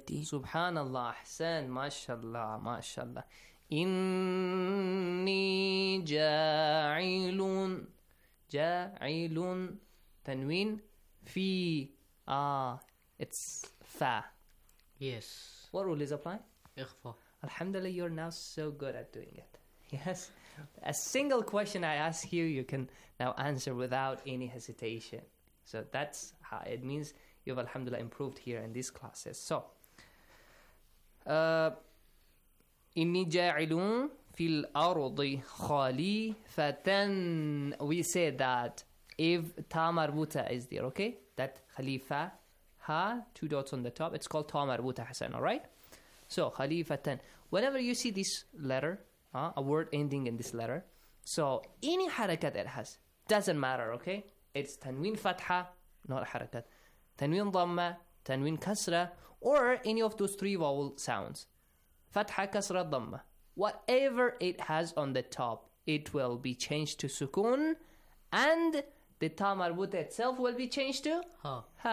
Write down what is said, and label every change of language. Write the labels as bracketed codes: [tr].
[ar] سبحان الله أحسن ما شاء الله ما شاء الله إني جاعل جاعل تنوين في [en] it's fa yes what rule is applying [ar] إخفاء [en] Alhamdulillah you're now so good at doing it yes a single question I ask you you can now answer without any hesitation so that's how it means you've Alhamdulillah improved here in these classes so [ar] إني جاعل في الأرض خليفة. [en] We say that if ta marbuta is there, okay? That خليفة ha two dots on the top. It's called ta marbuta حسن, all right? So خليفة. Whenever you see this letter, a word ending in this letter, so any حركات it has doesn't matter, okay? It's تنوين فتحة, not حركات. تنوين ضمة, تنوين كسرة, or any of those three vowel sounds. فتحة كسرة ضمة whatever it has on the top it will be changed to سكون and the ta marbuta itself will be changed to ha.